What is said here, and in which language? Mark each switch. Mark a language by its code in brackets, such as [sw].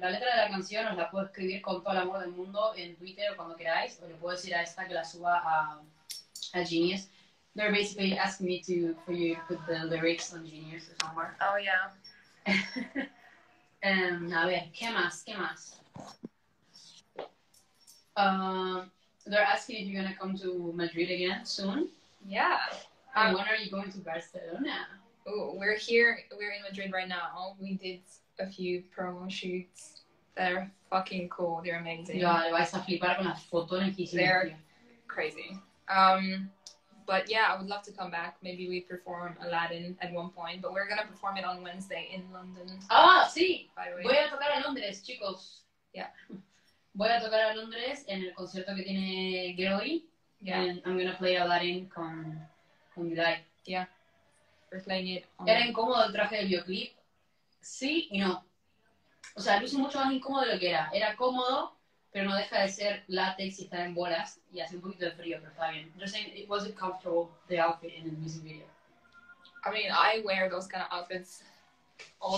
[es] La letra de la canción os la puedo escribir con todo el amor del mundo en Twitter o cuando queráis, o le puedo decir a esta que la suba a Genius. [en] They're basically asking me to for you to put the lyrics on Genius or somewhere. Oh, yeah. [es] a ver, ¿qué más? ¿Qué más? [en] They're asking if you're going to come to Madrid again soon. Yeah. And when are you going to Barcelona? Oh, we're here. We're in Madrid right now. We did a few promo shoots. They're fucking cool. They're amazing. [es] Yeah, le vais a flipar con las fotos que hicimos. [en] They're crazy. But yeah, I would love to come back. Maybe we perform Aladdin at one point. But we're going to perform it on Wednesday in London. [es] Ah, oh, sí. [en] By the way. [es] Voy a tocar a Londres, chicos. [en] Yeah. [es] Voy a tocar a Londres en el concierto que tiene Groy. [en] Yeah. And I'm going to play Aladdin con July. Yeah. We're playing it on... [es] ¿Era incómodo el traje del videoclip? Sí y no. O sea, luce mucho más incómodo de lo que era. Era cómodo, pero no deja de ser látex y estar en bolas. Y hace un poquito de frío, pero está bien. [en] Just saying, it wasn't comfortable, the outfit in the music video. I mean, I wear those kind of outfits all